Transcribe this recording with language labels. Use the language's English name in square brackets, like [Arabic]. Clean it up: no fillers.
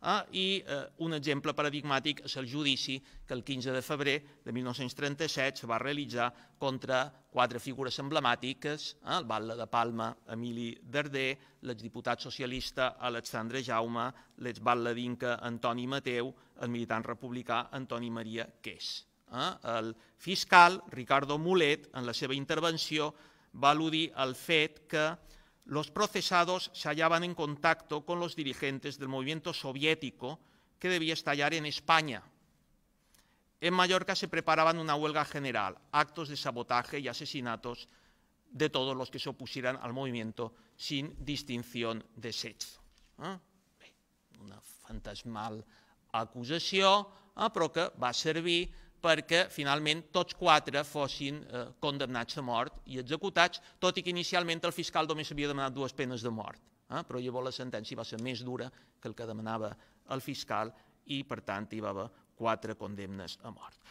[Catalan] i un exemple paradigmàtic és el judici que el 15 de febrer de 1937 es va realitzar contra quatre figures emblemàtiques, el batlle de Palma, Emili Darder, l'exdiputat socialista Alexandre Jaume, l'exbatlle d'Inca Antoni Mateu, el militant republicà Antoni Maria Ques. El fiscal Ricardo Mulet, en la seva intervenció, va al·ludir al fet que [Spanish] los procesados se hallaban en contacto con los dirigentes del movimiento soviético que debía estallar en España. En Mallorca se preparaban una huelga general, actos de sabotaje y asesinatos de todos los que se opusieran al movimiento sin distinción de sexo. [Catalan] Una fantasmal acusació, però que va servir perquè finalment tots quatre fossin condemnats a mort i executats, tot i que inicialment el fiscal només havia demanat dues penes de mort, però llavors la sentència va ser més dura que el que demanava el fiscal i per tant hi va haver quatre condemnes a mort.